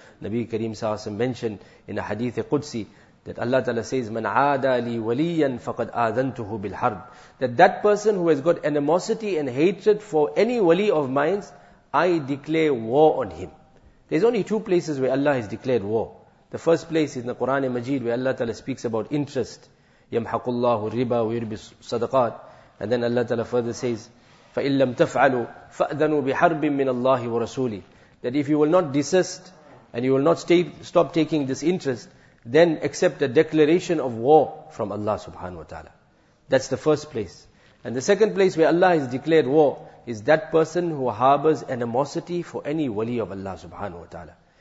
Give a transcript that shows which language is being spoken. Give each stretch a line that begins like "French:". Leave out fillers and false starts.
English: Nabi Kareem Sallallahu Alaihi Wasallam mentioned in a hadith Qudsi that Allah Ta'ala says,
Arabic: "Man aada li waliyan faqad aadantuhu bil harb."
English: That person who has got animosity and hatred for any wali of mine, I declare war on him. There's only two places where Allah has declared war. The first place is in the Quran Majeed, where Allah Ta'ala speaks about interest.
Arabic: يَمْحَقُ اللَّهُ الرِّبَى وَيُرْبِي الصَّدَقَاتِ.
English: And then Allah Ta'ala further says,
Arabic: فَإِن لَمْ تَفْعَلُوا فَأْذَنُوا بِحَرْبٍ مِّنَ اللَّهِ وَرَسُولِهِ.
English: That if you will not desist and you will not stop taking this interest, then accept a declaration of war from Allah Subhanahu Wa Ta'ala. That's the first place. And the second place where Allah has declared war is that person who harbors animosity for any wali of Allah Subhanahu Wa Ta'ala.